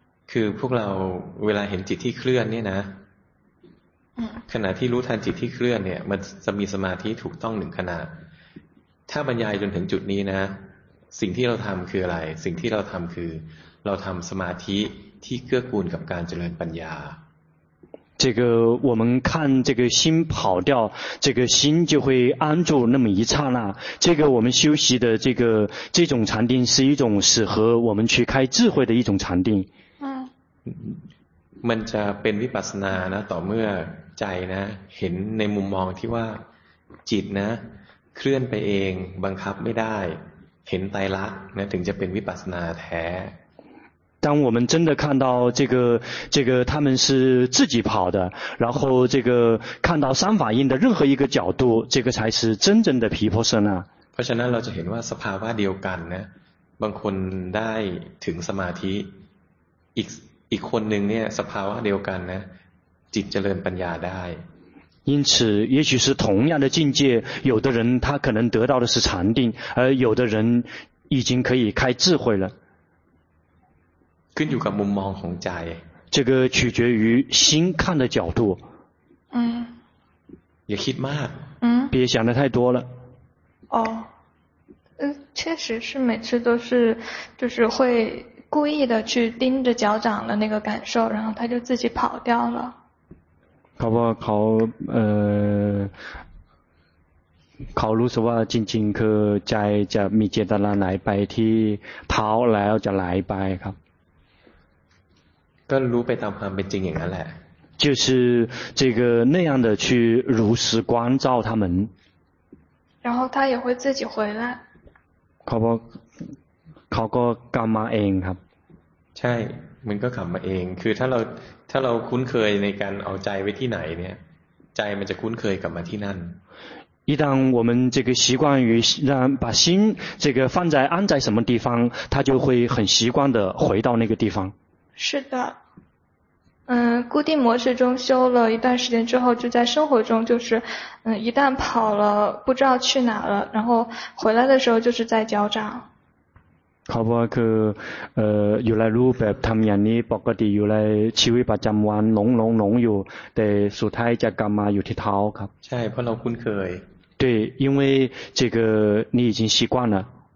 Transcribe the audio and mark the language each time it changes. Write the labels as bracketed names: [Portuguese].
[Thai] คือพวกเราเวลาเห็นจิตที่เคลื่อนเนี่ยนะขณะที่รู้ทันจิตที่เคลื่อนเนี่ยมันจะมีสมาธิถูกต้องหนึ่งขณะถ้าบรรยายจนถึงจุดนี้นะสิ่งที่เราทำคืออะไรสิ่งที่เราทำคือเราทำสมาธิที่เกื้อกูลกับการเจริญปัญญา [Chinese] 这个我们看这个心跑掉这个心就会安住那么一刹那这个我们休息的这种禅定是一种适合我们去开智慧的一种禅定 [Thai] มันจะเป็นวิปัสสนานะต่อเมื่อใจนะเห็นในมุมมองที่ว่าจิตนะเคลื่อนไปเองบังคับไม่ได้เห็นไตรลักษณ์นะถึงจะเป็นวิปัสสนาแท้ [Chinese] 当我们真的看到这个他们是自己跑的然后这个看到三法印的任何一个角度这个才是真正的毗婆舍那 [Thai] เพราะฉะนั้นเราจะเห็นว่าสภาวะเดียวกันนะบางคนได้ถึงสมาธิอีกคนหนึ่งเนี่ยสภาวะเดียวกันนะจิตเจริญปัญญาได้ [Chinese] 因此也许是同样的境界有的人他可能得到的是禅定而有的人已经可以开智慧了 [Thai] ขึ้นอยู่กับมุมมองของใจ [Chinese] 这个取决于心看的角度 [Thai] อย่าคิดมาก [Chinese] 别想的太多了哦确实是每次都是就是会故意的去盯着脚掌的那个感受然后他就自己跑掉了 [Thai] เขาว่าเขารู้สึกว่าจริงๆคือใจจะมีเจตนาไหลไปที่เท้าแล้วจะไหลไปครับ ก็รู้ไปตามความเป็นจริงอย่างนั้นแหละ [Chinese] 就是这个那样的去如实观照他们然后他也会自己回来 [Thai] เขาว่าเขาก็กลับมาเองครับ ใช่มันก็กลับมาเองคือถ้าเราคุ้นเคยในการเอาใจไว้ที่ไหนเนี่ยใจมันจะคุ้นเคยกลับมาที่นั่น [Chinese] 一旦我们这个习惯于让把心这个放在安在什么地方它就会很习惯的回到那个地方是的固定模式中修了一段时间之后，就在生活中就是，一旦跑了不知道去哪了，然后回来的时候就是在交账。 [Thai] เขาบอกคืออยู่ในรูปแบบทำอย่างนี้ปกติอยู่ในชีวิตประจำวันหลงอยู่แต่สุดท้ายจะกลับมาอยู่ที่เท้าครับ ใช่เพราะเราคุ้นเคย [Chinese] 对因为这个你已经习惯了